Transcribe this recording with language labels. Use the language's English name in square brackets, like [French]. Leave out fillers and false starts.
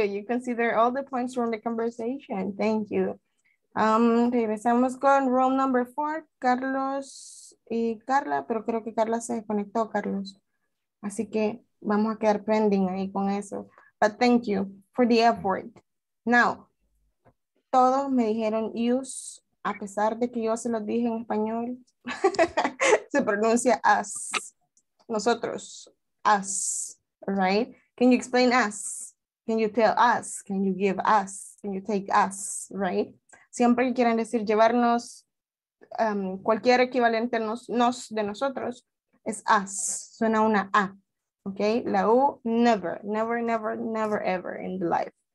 [English] You consider all the points from the conversation. Thank you. [Spanish] Regresamos con room number 4, Carlos y Carla, pero creo que Carla se desconectó, Carlos. Así que vamos a quedar pending ahí con eso. [English] But thank you for the effort. [Spanish] Now, todos me dijeron use, a pesar de que yo se los dije en español, se pronuncia as, nosotros, as, right? [English] Can you explain as? Can you tell us? Can you give us? Can you take us, right? [Spanish] Siempre que quieran decir llevarnos, cualquier equivalente a nos de nosotros, es us, suena una A, okay? La U, [English] never, never, never, never, ever in the life.